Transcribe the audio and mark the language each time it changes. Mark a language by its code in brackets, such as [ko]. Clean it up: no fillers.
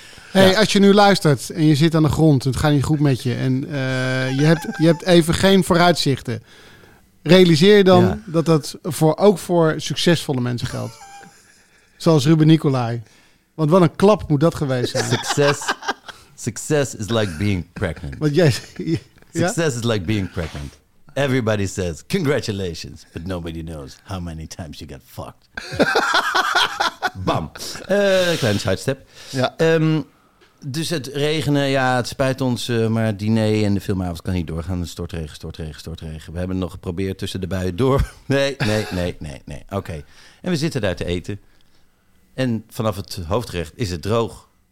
[nl] Hey, ja. Als je nu luistert en je zit aan de grond, het gaat niet goed met je en je hebt even geen vooruitzichten. Realiseer je dan dat ook voor succesvolle mensen geldt. Zoals Ruben Nicolai. Want wat een klap moet dat geweest zijn. [en] Success is like being pregnant. [nl] Want jij, [en] Success is like being pregnant. Everybody says congratulations, but nobody knows how many times you got fucked. [nl] Bam. Kleine sidestep. Ja. Dus het regenen, ja, het spijt ons, maar het diner en de filmavond kan niet doorgaan. Stortregen. We hebben het nog geprobeerd tussen de buien door. Nee. Oké. En we zitten daar te eten. En vanaf het hoofdgerecht is het droog.